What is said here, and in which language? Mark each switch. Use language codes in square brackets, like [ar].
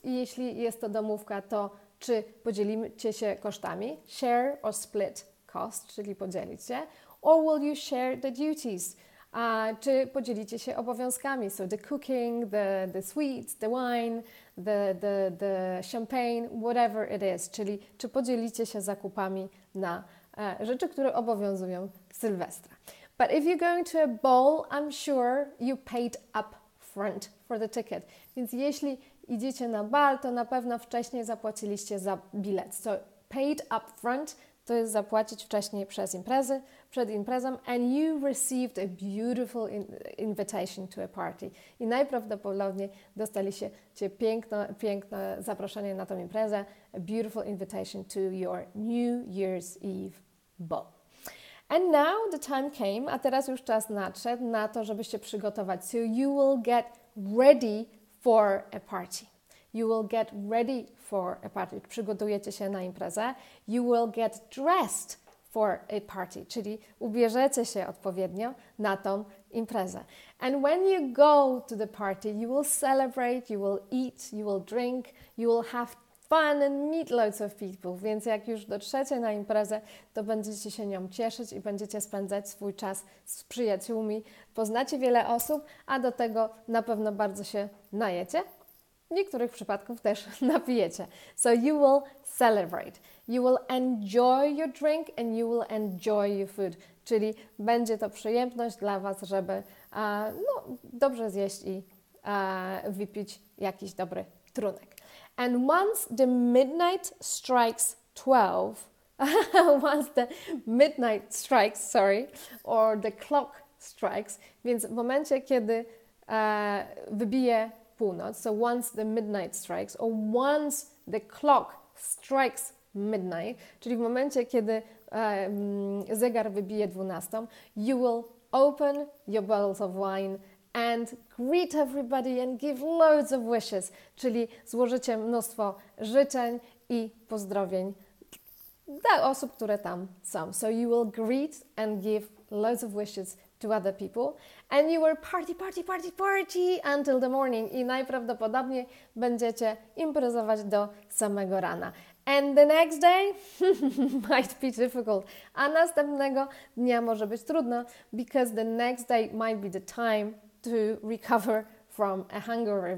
[pl] I jeśli jest to domówka, to czy podzielicie się kosztami? [en] Share or split cost, [pl] czyli podzielić się. [en] Or will you share the duties? [pl] Czy podzielicie się obowiązkami? [en] So the cooking, the sweets, the wine, the champagne, whatever it is. [pl] Czyli czy podzielicie się zakupami na rzeczy, które obowiązują Sylwestra. [en] But if you're going to a ball, I'm sure you paid up front for the ticket. [pl] Więc jeśli idziecie na bal, to na pewno wcześniej zapłaciliście za bilet. [en] So paid up front [pl] to jest zapłacić wcześniej przez imprezę, przed imprezą, [en] and you received a beautiful invitation to a party. [pl] I najprawdopodobniej dostaliście piękne zaproszenie na tą imprezę, [en] a beautiful invitation to your New Year's Eve ball. And now the time came, [pl] a teraz już czas nadszedł na to, żebyście przygotować. [en] So you will get ready for a party. You will get ready for a party. [pl] Przygotujecie się na imprezę. [en] You will get dressed for a party. [pl] Czyli ubierzecie się odpowiednio na tą imprezę. [en] And when you go to the party, you will celebrate, you will eat, you will drink, you will have fun and meet loads of people. [pl] Więc jak już dotrzecie na imprezę, to będziecie się nią cieszyć i będziecie spędzać swój czas z przyjaciółmi. Poznacie wiele osób, a do tego na pewno bardzo się najecie. W niektórych przypadkach też napijecie. [en] So you will celebrate. You will enjoy your drink and you will enjoy your food. [pl] Czyli będzie to przyjemność dla Was, żeby dobrze zjeść i wypić jakiś dobry trunek. [en] And once the midnight strikes 12, the clock strikes, [pl] więc w momencie, kiedy wybije północ, [en] so once the midnight strikes, or once the clock strikes midnight, [pl] czyli w momencie, kiedy zegar wybije 12, [en] you will open your bottles of wine and greet everybody and give loads of wishes, [pl] czyli złożycie mnóstwo życzeń i pozdrowień dla osób, które tam są. [en] So you will greet and give loads of wishes to other people, and you will party until the morning. [pl] I najprawdopodobniej będziecie imprezować do samego rana. [en] And the next day might be difficult. [pl] A następnego dnia może być trudno, [en] because the next day might be the time to recover from a hangover.